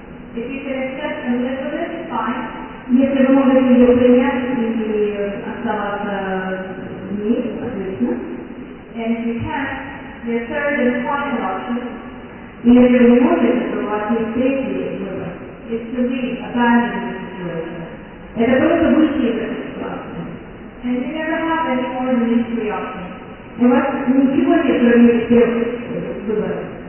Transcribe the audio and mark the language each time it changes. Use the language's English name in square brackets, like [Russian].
[English] If you can accept and live with it, fine. [Russian] Если вы можете ее принять и оставаться в ней, соответственно. [English] And if you can, your third and final option. [Russian] И если вы не можете, то у вас есть третий выбор. [English] Is to leave. [Russian] Оставить ситуацию. Это просто выйти из этой ситуации. [English] And you never have any more than these three options. [Russian] У вас ничего нет, кроме этих трех выборов.